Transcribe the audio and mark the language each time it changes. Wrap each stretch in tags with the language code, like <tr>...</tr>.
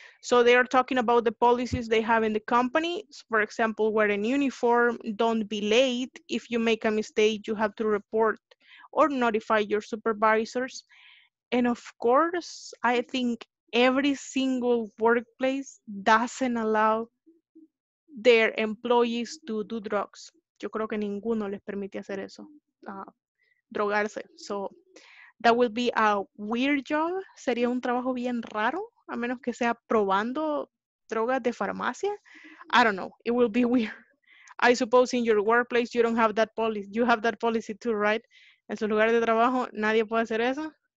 <en>So they are talking about the policies they have in the company. So for example, wear a uniform, don't be late. If you make a mistake, you have to report or notify your supervisors. And of course, I think every single workplace doesn't allow their employees to do drugs.</en> <es>Yo creo que ninguno les permite hacer eso, drogarse.</es> <en>So that will be a weird job.</en> <es>Sería un trabajo bien raro, a menos que sea probando drogas de farmacia.</es> <en>I don't know. It will be weird. I suppose in your workplace, you don't have that policy. You have that policy too, right?</en> <es>En su lugar de trabajo, nadie puede hacer eso.</es>